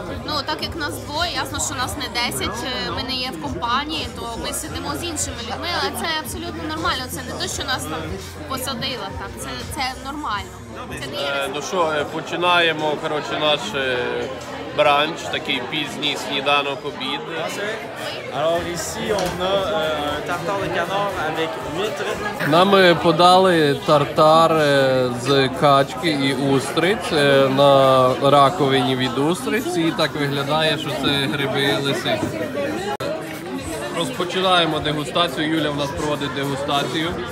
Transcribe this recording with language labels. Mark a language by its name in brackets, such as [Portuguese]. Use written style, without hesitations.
[Ukrainian] Ну, так як нас двоє, ясно, що нас не 10, ми не є в компанії, то ми сидимо з іншими людьми, але це абсолютно нормально, це не те, що нас там посадила там. Це нормально. Ну що, починаємо, коротше, наш бранч, такий пізній сніданок, обід. [French] Alors ici on a tartare de canard avec huître. [Ukrainian] Нам подали тартар з качки і устриць на раковині від устриць, і так виглядає, що це гриби лисиці. Розпочинаємо дегустацію. Юля в нас проводить дегустацію.